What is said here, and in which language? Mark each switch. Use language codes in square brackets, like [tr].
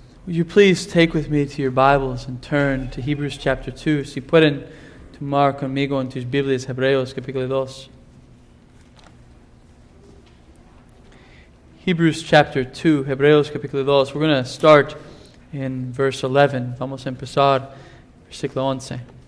[en] Would you please take with me to your Bibles and turn to Hebrews chapter 2. [es] Si pueden tomar conmigo en tus Biblias Hebreos capítulo 2. [en] Hebrews chapter 2, [es] Hebreos capítulo 2. [en] We're going to start in verse 11. [es] Vamos a empezar versículo 11.